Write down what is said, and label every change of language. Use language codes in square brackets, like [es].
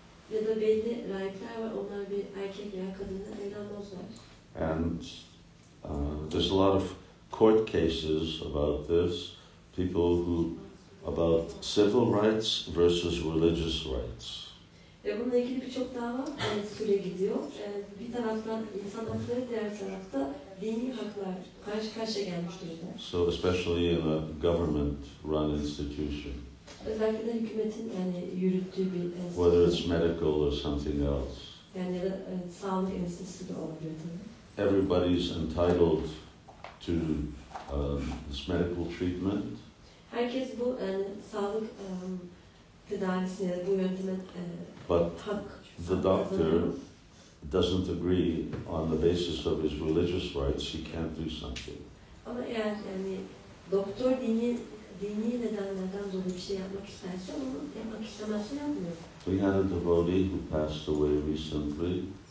[en] And there's a lot of court cases about this, people who, about civil rights versus religious rights. [tr] Ve bununla ilgili birçok dava süre gidiyor. Bir taraftan insan hakları, diğer tarafta dini haklar karşı karşıya gelmiş durumda. [en] So especially in a government-run institution. [tr] Özellikle de hükümetin yani yürüttüğü bir enstitü. [en] Whether it's medical or something else. [tr] Yani sağlık enstitüsü de olabilir tabii. [en] Everybody's entitled to this medical treatment. [tr] Herkes bu sağlık tedavisine, bu yönteme [en] but the doctor doesn't agree on the basis of his religious rights, he can't do something. [tr] Ama eğer yani doktor dini nedenlerden dolayı bir şey yapmak isterse onu yapmak istemezse yapmıyor. [en] We had a devotee who passed away recently.